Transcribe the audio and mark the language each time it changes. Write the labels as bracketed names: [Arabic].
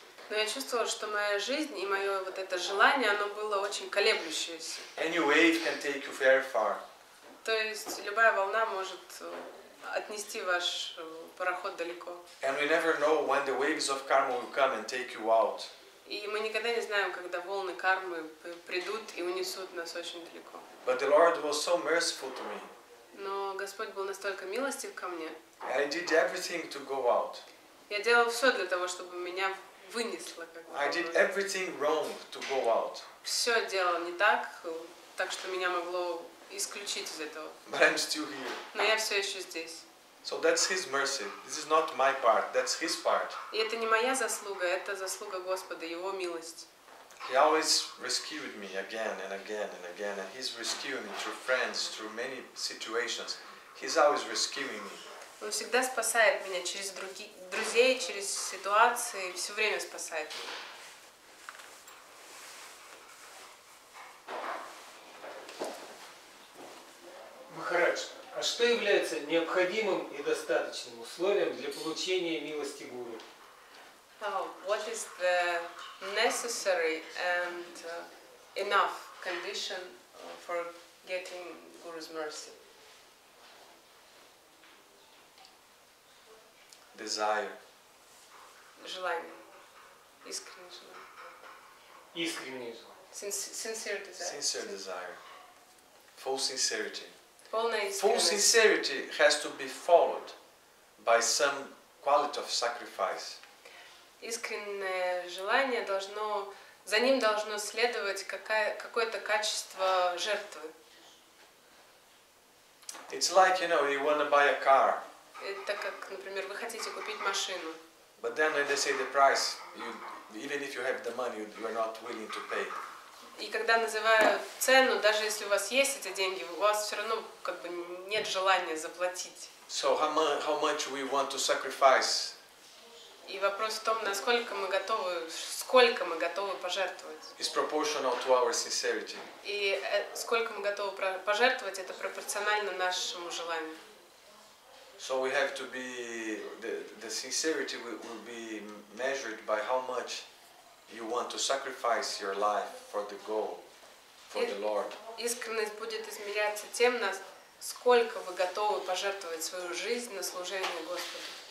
[Russian] Но я чувствовал, что моя жизнь и мое вот это желание, оно было очень колеблющееся. [English] Any wave can take you very far. [Russian] То есть любая волна может отнести ваш пароход далеко. [English] And we never know when the waves of karma will come and take you out. [Russian] И мы никогда не знаем, когда волны кармы придут и унесут нас очень далеко. [English] But the Lord was so merciful to me. [Russian] Но Господь был настолько милостив ко мне. [English] I did everything to go out. [Russian] Я делал все для того, чтобы меня вынесло. [English] I did everything wrong to go out. [Russian] Все делал не так, так что меня могло исключить из этого. [English] But I'm still here. [Russian] Но я все еще здесь. [English] So that's his mercy. This is not my part. That's his part. [Russian] И это не моя заслуга, это заслуга Господа, Его милость. [English] He always rescued me again and again and again, and he's rescuing me through friends, through many situations. He's always rescuing me. [Russian] Он всегда спасает меня через друзей, через ситуации, все время спасает меня. Махарадж, а что является необходимым и достаточным условием для получения милости гуру? [English] What is the necessary and enough condition for getting guru's mercy? Desire. [Russian] Желание. Искреннее желание. Искреннее желание. [English] Sincere desire. Sincere desire. Full sincerity. [Russian] Полная искренность. [English] Full sincerity has to be followed by some quality of sacrifice. [Russian] Искреннее желание должно, за ним должно следовать какое-то качество жертвы. [English] It's like, you know, you want to buy a car. [Russian] Это как, например, вы хотите купить машину. [English] But then when they say the price, you, even if you have the money, you are not willing to pay. [Russian] И когда называют цену, даже если у вас есть эти деньги, у вас все равно как бы нет желания заплатить. [English] So how much we want to sacrifice? [Russian] И вопрос в том, насколько мы готовы, сколько мы готовы пожертвовать. [English] Is proportional to our sincerity. [Russian] И сколько мы готовы пожертвовать, это пропорционально нашему желанию. [English] So we have to be the sincerity will be measured by how much you want to sacrifice your life for the goal for the Lord. [Russian] Искренность будет измеряться тем, насколько вы готовы пожертвовать свою жизнь на служение Господу.